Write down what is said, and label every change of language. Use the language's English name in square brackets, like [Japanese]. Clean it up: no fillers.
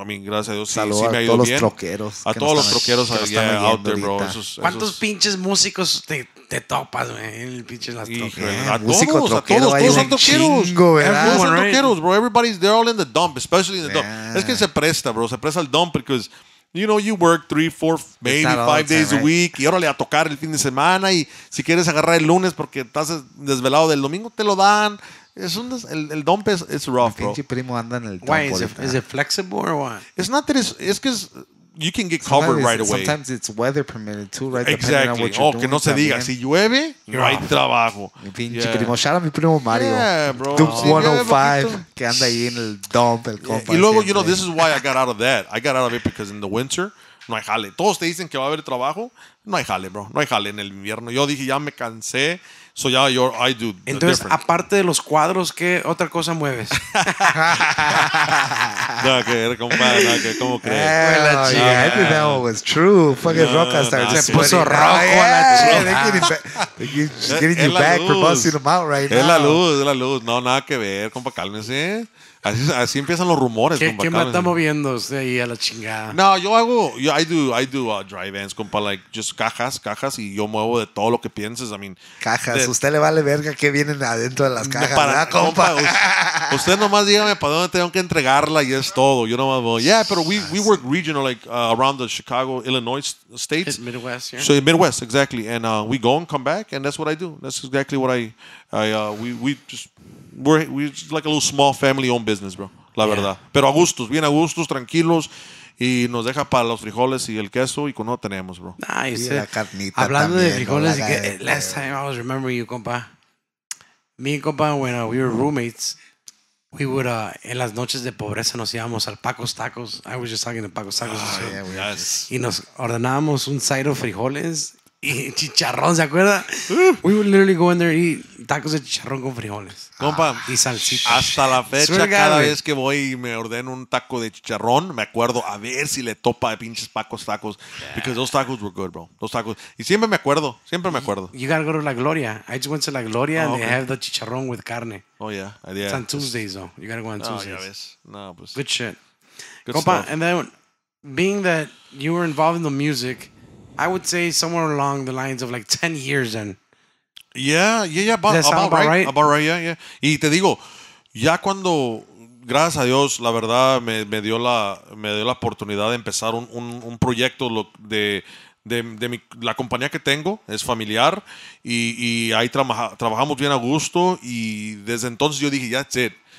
[English] I mean, [Spanish] gracias a Dios, sí me ha ido bien. A todos los troqueros. A todos los troqueros [English] out there, bro. [Spanish] ¿Cuántos pinches músicos te topas, güey, en el pinche las troqueras? A todos los troqueros, bro. [English] Everybody's, they're all in the dump, especially in the dump. [Spanish] Es que se presta el dump [English] because... You know, you work 3, 4, maybe 5 days a week. [Spanish] Y órale, a tocar el fin de semana. Y si quieres agarrar el lunes porque estás desvelado del domingo, te lo dan. Es un el dump es rough, bro. El pinche primo anda en el dump. [English] Why? Is it flexible or what? It's not that it's... [Spanish] Es que es... [English] You can get covered right away. Sometimes it's weather permitted too, right? Exactly. Depending on what you're [Spanish] doing. Que no se diga. Si llueve, no hay trabajo. Mi pinche primo. Shout out mi primo Mario. [English] Yeah, bro. Dump 105. [Spanish] Que anda ahí en el dump, el compa. [English] Y luego, you know, this is why I got out of that. I got out of it because in the winter, [Spanish] no hay jale. Todos te dicen que va a haber trabajo. No hay jale, bro. No hay jale en el invierno. Yo dije, ya me cansé. So ya, I do. Entonces, aparte de los cuadros, ¿qué otra cosa mueves? No, que era compadre, no, que cómo crees. [English] La chica, I think that one was true. Fucking Rockstar. [Spanish] Se puso rojo a la chica. [English] She's getting you back for busting them out right now. [Spanish] Es la luz. No, nada que ver, compa, cálmese. Así empiezan los rumores, ¿Qué, compa. ¿Qué me está moviendo usted ahí a la chingada? [English] No, I do dry vans, compa, like just [Spanish] cajas y yo muevo de todo lo que pienses. [English] I mean, [Spanish] cajas, usted le vale verga que vienen adentro de las cajas, no, para, ¿verdad, compa? Usted nomás dígame para dónde tengo que entregarla y es todo. Yo nomás voy. [English] Yeah, pero we work regional, like around the Chicago, Illinois states. Midwest, yeah. So Midwest, exactly. And we go and come back and that's what I do. That's exactly what we're like a little small family-owned business, bro. [Spanish] La verdad. Pero a gustos. Bien a gustos, tranquilos. Y nos deja para los frijoles y el queso. Y con eso tenemos, bro. Nice. Y la carnita. Hablando también, de frijoles. [English] No, last time I was remembering you, compa. Me and compa, when we were roommates, we would, [Spanish] en las noches de pobreza, nos íbamos al Paco's Tacos. [English] I was just talking to Paco's Tacos. Oh, yeah, [Spanish] y nos ordenábamos un side of frijoles. Y chicharrón, ¿se acuerda? [English] We would literally go in there and eat tacos de chicharrón con frijoles. [Spanish] Compa, y salsita. Hasta la fecha, cada vez que voy y me ordeno un taco de chicharrón, me acuerdo a ver si le topa de pinches Paco's Tacos. [English] Yeah. Because those tacos were good, bro. Those tacos. [Spanish] Y siempre me acuerdo. [English] You gotta go to La Gloria. I just went to La Gloria and they have the chicharrón with carne. Oh, yeah. Yeah. It's on Tuesdays, though. You gotta go on Tuesdays. [Spanish] Oh, ya ves. No, pues. [English] Good shit. Good compa, stuff. And then, being that you were involved in the music... I would say somewhere along the lines of like 10 years then. Yeah, about right. [Spanish] Yeah. Y te digo, ya cuando, gracias a Dios, la verdad, me dio la oportunidad de empezar un proyecto de mi, la compañía que tengo, es familiar, y ahí trabajamos bien a gusto, y desde entonces yo dije, [English] that's it.